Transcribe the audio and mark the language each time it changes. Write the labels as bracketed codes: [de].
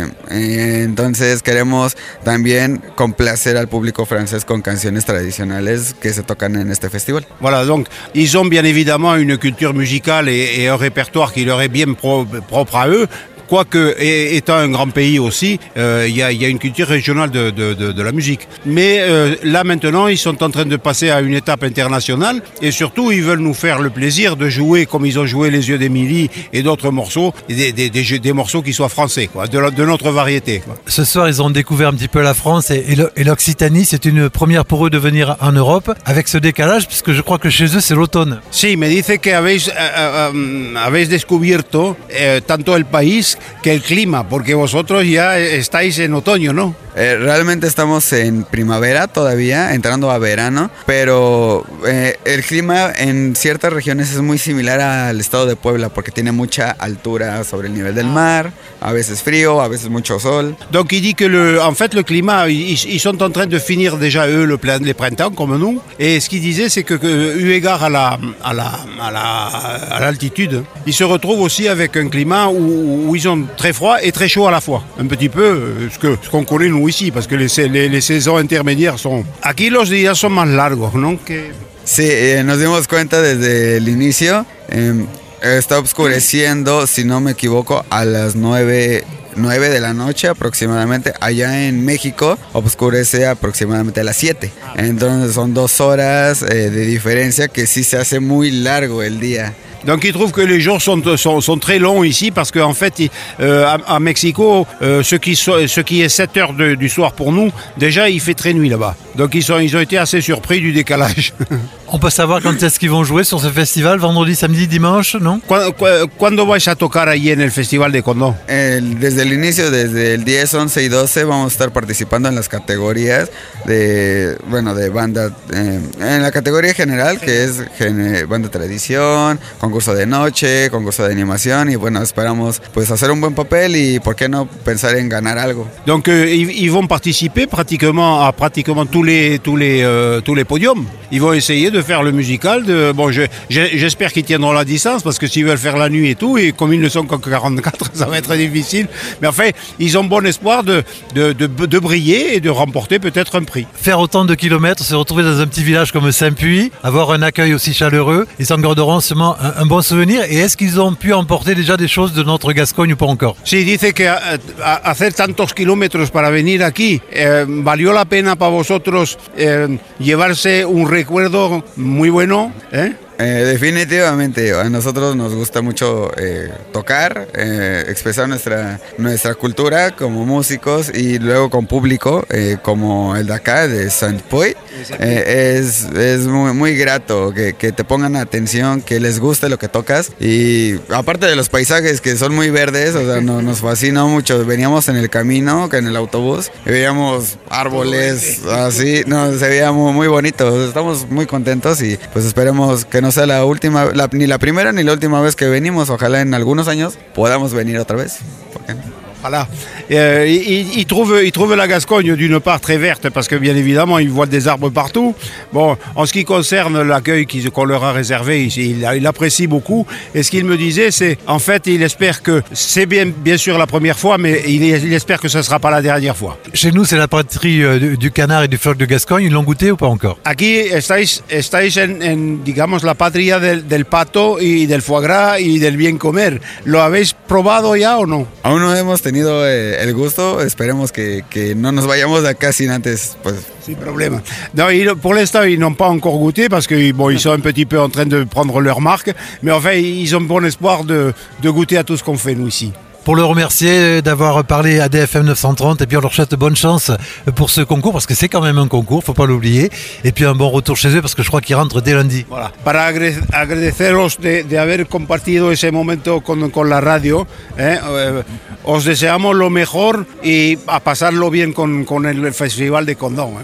[es] Entonces queremos también complacer al público francés con canciones tradicionales que se tocan en este festival. [fr] Voilà, donc ils ont bien évidemment une culture musicale et un répertoire qui leur est bien propre à eux. Quoique, étant un grand pays aussi, il y a une culture régionale de la musique. Mais là, maintenant, ils sont en train de passer à une étape internationale. Et surtout, ils veulent nous faire le plaisir de jouer comme ils ont joué Les Yeux d'Emily et d'autres morceaux, des morceaux qui soient français, quoi, de notre variété. Quoi. Ce soir, ils ont découvert un petit peu la France et l'Occitanie. C'est une première pour eux de venir en Europe avec ce décalage, puisque je crois que chez eux, c'est l'automne. [es] Sí, me dice que habéis descubierto tanto el país que el clima, porque vosotros ya estáis en otoño, ¿no? Realmente estamos en primavera todavía, entrando a verano, pero el clima en ciertas regiones es muy similar al estado de Puebla, porque tiene mucha altura sobre el nivel del mar, a veces frío, a veces mucho sol. [fr] Donc il dit que en fait le clima, ils sont en train de finir déjà eux le printemps comme nous, et ce qu'il disait c'est que eu égard à l'altitude, ils se retrouvent aussi avec un climat où ils ont très froid et très chaud à la fois, un petit peu ce qu'on connaît ou ici, parce que les saisons intermédiaires sont... [es] Aquí los días son más largos, ¿no? Que... Sí, nos dimos cuenta desde el inicio. Está oscureciendo, si no me equivoco, a las 9 de la noche aproximadamente. Allá en México oscurece aproximadamente a las 7. Entonces son 2 horas de diferencia que sí se hace muy largo el día. [fr] Donc ils trouvent que les jours sont très longs ici parce qu'en fait, à Mexico, ce qui est 7 heures du soir pour nous, déjà il fait très nuit là-bas. Donc ils ont été assez surpris du décalage. On peut savoir quand est-ce qu'ils vont jouer sur ce festival, vendredi, samedi, dimanche, non? Quand vas-tu [es] tocar ahí en el festival de Condom? Desde el inicio, desde el 10, 11 y 12, vamos a estar participando en las categorías de, bueno, de banda, en la categoría general, que es banda tradición, concurso de noche, concurso de animación, y bueno, esperamos pues hacer un buen papel y por qué no pensar en ganar algo. [fr] Donc, ils vont participer pratiquement à pratiquement tous les podiums. Ils vont essayer de faire le musical. J'espère qu'ils tiendront la distance parce que s'ils veulent faire la nuit et tout, et comme ils ne sont qu'en 44, ça va être difficile. Mais enfin, ils ont bon espoir de briller et de remporter peut-être un prix. Faire autant de kilomètres, se retrouver dans un petit village comme Saint-Puy, avoir un accueil aussi chaleureux, ils en garderont sûrement un bon souvenir. Et est-ce qu'ils ont pu emporter déjà des choses de notre Gascogne ou pas encore? [es] Si, [fr] il dit que faire [es] tantos kilómetros para venir aquí, valió la pena para vosotros llevarse un recuerdo muy bueno, ¿eh? Definitivamente, a nosotros nos gusta mucho tocar, expresar nuestra cultura como músicos y luego con público, como el de acá, de Saint-Puy. Es muy, muy grato que te pongan atención, que les guste lo que tocas. Y aparte de los paisajes que son muy verdes, o sea, nos fascinó mucho. Veníamos en el camino, en el autobús, y veíamos árboles así, no, se veía muy, muy bonito. Estamos muy contentos y pues esperemos que no sea la última, ni la primera ni la última vez que venimos. Ojalá en algunos años podamos venir otra vez. ¿Por qué no? [fr] Voilà. Il trouve la Gascogne d'une part très verte parce que bien évidemment il voit des arbres partout. Bon, en ce qui concerne l'accueil qu'on leur a réservé, il apprécie beaucoup. Et ce qu'il me disait, c'est en fait il espère que c'est bien sûr la première fois, mais il espère que ça sera pas la dernière fois. Chez nous, c'est la patrie du canard et du phoque de Gascogne. Ils l'ont goûté ou pas encore? [es] Aquí estáis en digamos la patria del pato y del foie gras y del bien comer. ¿Lo habéis probado ya o no? Aún no hemos tenido el gusto, esperemos que no nos vayamos de acá sin antes, pues. Sin problema. No, y por el estado, [fr] ils n'ont pas encore goûté, parce que, bon, ils sont un petit peu en train de prendre leur marque, mais enfin, ils ont bon espoir de goûter à tout ce qu'on fait, nous, ici. Pour le remercier d'avoir parlé à DFM 930, et puis on leur souhaite bonne chance pour ce concours, parce que c'est quand même un concours, il ne faut pas l'oublier, et puis un bon retour chez eux, parce que je crois qu'ils rentrent dès lundi. Voilà. [es] Para agradeceros de haber compartido ese momento con la radio, os deseamos lo mejor y a pasarlo bien con el Festival de Condom.